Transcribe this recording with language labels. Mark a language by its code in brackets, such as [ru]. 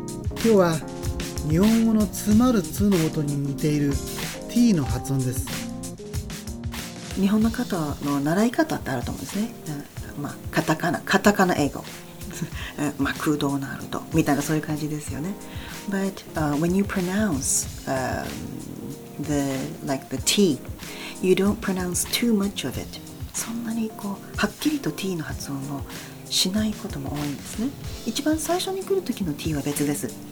[ja] 今日は日本語の詰まる通の音に似ている T の発音です。日本の方の習い方ってあると思うんですね、カタカナ英語マクドナルドみたいなそういう感じですよね。 [en] But、when you pronounce、the T, you don't pronounce too much of it. [ja] そんなにこうはっきりと T の発音をしないことも多いんですね。一番最初に来る時の T は別です。